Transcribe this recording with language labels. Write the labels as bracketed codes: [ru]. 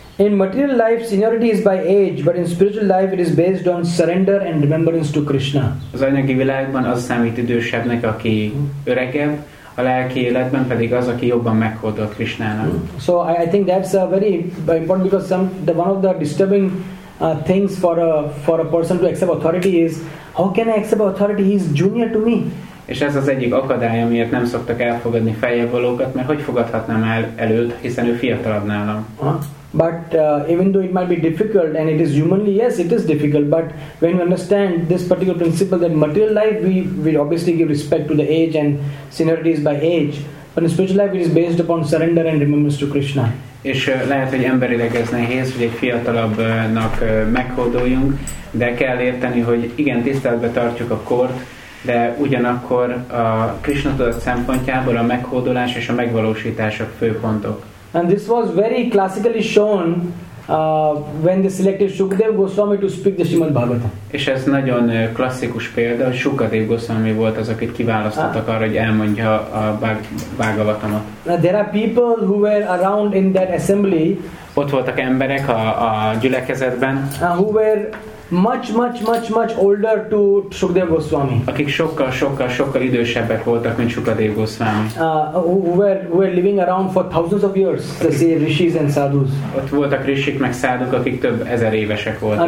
[en] In material life, seniority is by age, but in spiritual life, it is based on surrender and remembrance to Krishna. [hu] Az anyagi világban az számít idősebbnek, aki öregebb, a lelki életben pedig az, aki jobban meghódol Krishnának. [en] So I think that's a very important because one of the disturbing things for a person to accept authority is how can I accept authority? He is junior to me. [hu] És ez az egyik akadály, amiért nem szoktak elfogadni feljebb valókat, mert hogy fogadhatnám el előtt, hiszen ő fiatalabb nálam. [en] But even though it might be difficult and it is humanly, yes, it is difficult, but when you understand this particular principle that material life, we obviously give respect to the age and seniority is by age, but in spiritual life it is based upon surrender and remembrance to Krishna. [hu] És lehet, hogy emberileg ez nehéz, hogy egy fiatalabbnak meghódoljunk, de kell érteni, hogy igen, tiszteletbe tartjuk a kort, de ugyanakkor a Krishna tudat szempontjából a meghódolás és a megvalósítás a főpontok. [en] And this was very classically shown when they selected Sukadev Goswami to speak the Srimad Bhagavatam. [hu] És ez nagyon klasszikus példa, Sukadev Goswami volt az, akit kiválasztottak arra, hogy elmondja a Bhagavatamot. [en] Now there are people who were around in that assembly. [hu] Ott voltak emberek a gyülekezetben. [en] Who were much older to Sukadev Goswami. [hu] Akik sokkal idősebbek voltak, mint Sukadev Goswami. [en] Who were living around for thousands of years, say rishis and sadhus. [hu] Ott voltak rishik meg sadhuk, akik több ezer évesek voltak.